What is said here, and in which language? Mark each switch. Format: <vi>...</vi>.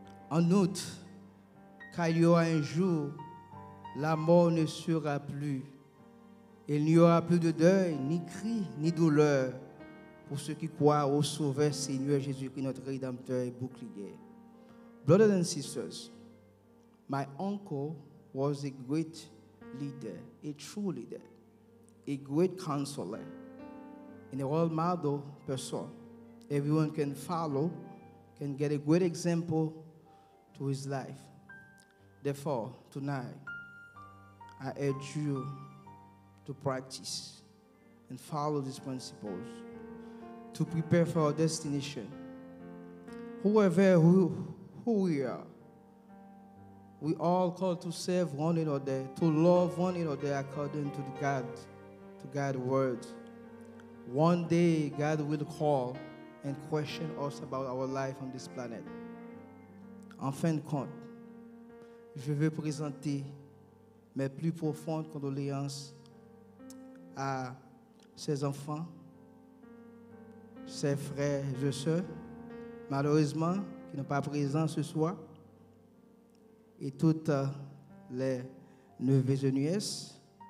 <fr>En outre, car il y aura un jour, la mort ne sera plus. Il n'y aura plus de deuil, ni cri, ni douleur pour ceux qui croient au Sauveur Seigneur Jésus-Christ, notre Rédempteur et Bouclier.</fr> <en>Brothers and sisters, my uncle was a great leader, a true leader, a great counselor, and a role model person. Everyone can follow, can get a great example to his life. Therefore, tonight, I urge you to practice and follow these principles to prepare for our destination. Whoever who we are, we all call to serve one another, to love one another according to God's word. One day, God will call and question us about our life on this planet.</en> <fr>En fin de compte, je veux présenter mes plus profondes condoléances à ses enfants, ses frères et sœurs, malheureusement, qui n'ont pas présent ce soir, et toutes les neveux et nièces.</fr>